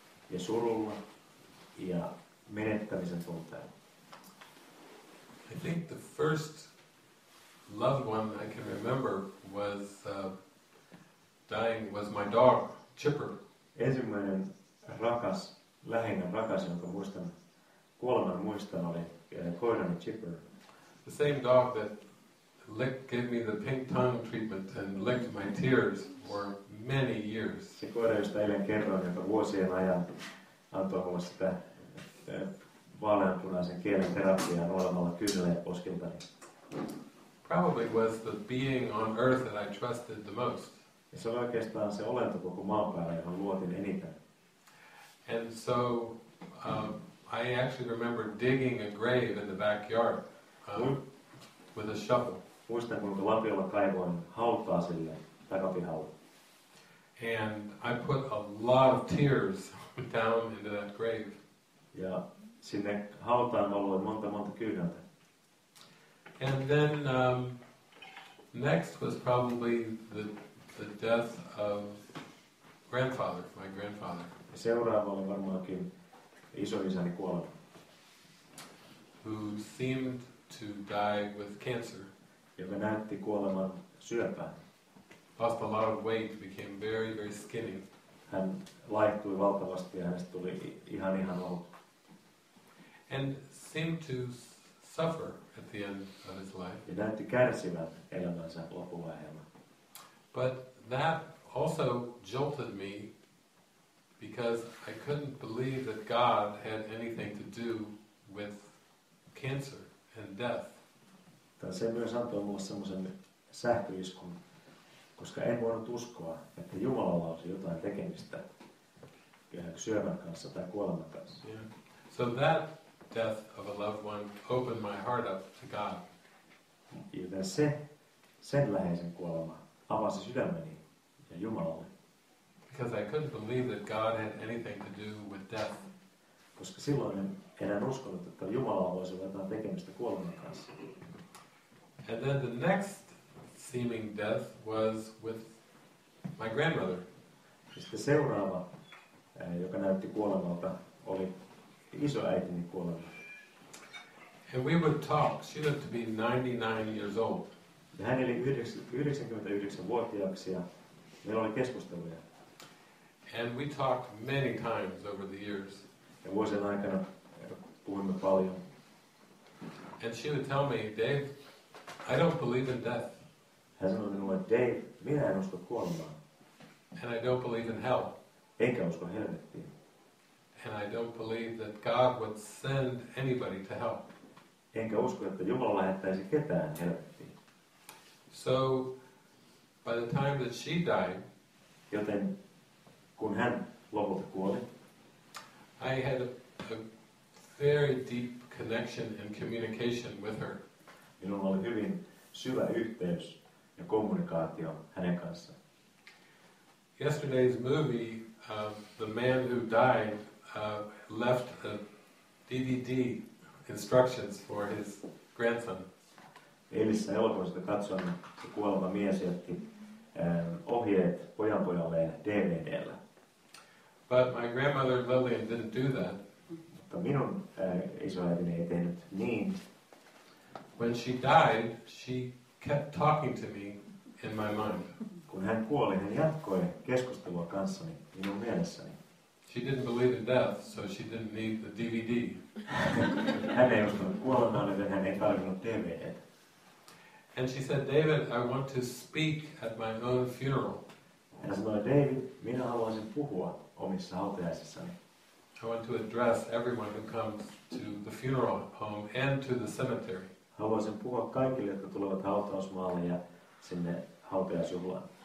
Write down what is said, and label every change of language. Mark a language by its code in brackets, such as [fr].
[fi] Ja surulla ja menettämisen tunteella. [en] I think the first loved one I can remember was dying was my dog, Chipper. [fi] Ensimmäinen rakas, läheinen rakas, jonka muistan. Kuoleman muistan oli koirani Chipper. [en] The same dog that gave me the pink tongue treatment and licked my tears for many years. [fi] Se koira, josta eilen kerroin, joka vuosien ajan antoi mulle sitä vaaleanpunaisen kielen terapiaa nuolemalla kynnelle ja poskiltani. [en] Probably was the being on earth that I trusted the most. [fi] Ja se oli oikeastaan se olento koko maan päällä, johon luotin eniten. [en] And so I actually remember digging a grave in the backyard with a shovel. [fi] Muistan, kuinka lapiolla kaivoin hautaa sille takapihalle. [en] And I put a lot of tears down into that grave. [fi] Ja sinne hautaan valuin monta kyyneltä. [en] And then next was probably the death of grandfather, my grandfather. [fi] Ja seuraava oli varmaankin isoisäni kuolema. [en] Who seemed to die with cancer. [fi] Joka näytti kuoleman syöpään. [en] Lost a lot of weight, became very, very skinny. [fi] Hän laihtui valtavasti ja hänestä tuli ihan ollut. [en] And seemed to suffer at the end of his life. [fi] Ja näytti kärsivän elämänsä loppuvaiheella. [en] But that also jolted me. Because I couldn't believe that God had anything to do with cancer and death. [fi] Se myös antoi mulle semmoisen sähköiskun, koska en voinut uskoa, että Jumalalla olisi jotain tekemistä syövän kanssa tai kuoleman kanssa. Yeah. [en] So that death of a loved one opened my heart up to God. [fi] Joten sen läheisen kuolema avasi sydämeni ja Jumalalle. [en] Because I couldn't believe that God had anything to do with death. [fi] Koska silloin en uskonut, että Jumala voisi olla jotain tekemistä kuoleman kanssa. [en] And then the next seeming death was with my grandmother. [fi] Sitten seuraava, joka näytti kuolemalta, oli isoäitini kuolema. [en] And we would talk. She lived to be 99 years old. [fi] Ja hän eli 99-vuotiaaksi ja meillä oli keskusteluja. [en] And we talked many times over the years. [fi] Ja vuosien aikana puhuimme paljon. [en] And she would tell me, Dave, I don't believe in death. [fi] Hän sanoi minulle, Dave, minä en usko kuolemaan. [en] And I don't believe in hell. [fi] Enkä usko helvettiin. [en] And I don't believe that God would send anybody to hell. [fi] Enkä usko, että Jumala lähettäisi ketään helvettiin. [en] So, by the time that she died, [fi] joten kun hän lopulta kuoli. [en] I had a very deep connection and communication with her. [fi] Minulla oli hyvin syvä yhteys ja kommunikaatio hänen kanssaan. [en] Yesterday's movie, The Man Who Died, left a DVD instructions for his grandson. [fi] Eilisessä elokuvasta katsoin, se kuoleva mies jätti ohjeet pojanpojalleen DVD:llä. [en] But my grandmother Lillian didn't do that. [fi] Mutta minun isoäitini ei tehnyt niin. [en] When she died, she kept talking to me in my mind. [fi] kun hän kuoli, hän jatkoi keskustelua kanssani minun mielessäni. [en] She didn't believe in death, so she didn't need the DVD. [fi] Hän ei uskonut kuolemaan, joten hän ei tarvinnut DVD:tä. [en] And she said, David, I want to speak at my own funeral. [fi] Hän sanoi, David, minä haluaisin puhua omissa hautajaisissani. [en] I want to address everyone who comes to the funeral home and to the cemetery. [fi] Haluaisin puhua kaikille, jotka tulevat hautausmaalle ja sinne hautajaisjuhlaan.